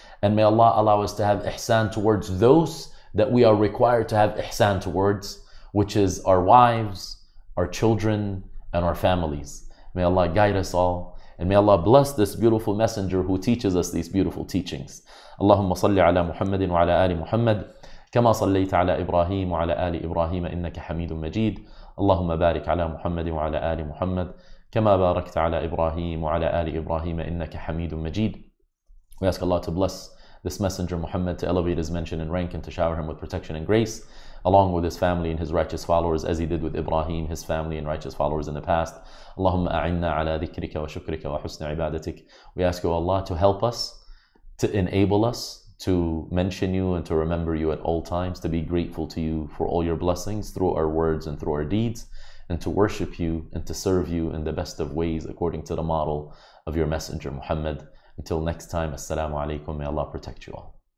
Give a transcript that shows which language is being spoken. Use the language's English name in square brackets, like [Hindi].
[English] And may Allah allow us to have ihsan towards those that we are required to have ihsan towards, which is our wives, our children, and our families. May Allah guide us all. And may Allah bless this beautiful messenger who teaches us these beautiful teachings. [Arabic] Allahumma salli ala Muhammadin wa ala ali Muhammad. كما صليت على إبراهيم وعلى آل إبراهيم إنك حميد مجيد اللهم بارك على محمد وعلى آل محمد كما باركت على إبراهيم وعلى آل إبراهيم إنك حميد مجيد. [English] We ask Allah to bless this messenger Muhammad, to elevate his mention and rank, and to shower him with protection and grace, along with his family and his righteous followers, as he did with Ibrahim, his family and righteous followers in the past. [Arabic] اللهم أعنا على ذكرك وشكرك وحسن عبادتك. [English] We ask you, Allah, to help us, to enable us to mention you and to remember you at all times, to be grateful to you for all your blessings through our words and through our deeds, and to worship you and to serve you in the best of ways according to the model of your messenger Muhammad. Until next time, [Arabic] assalamu alaikum. [English] May Allah protect you all.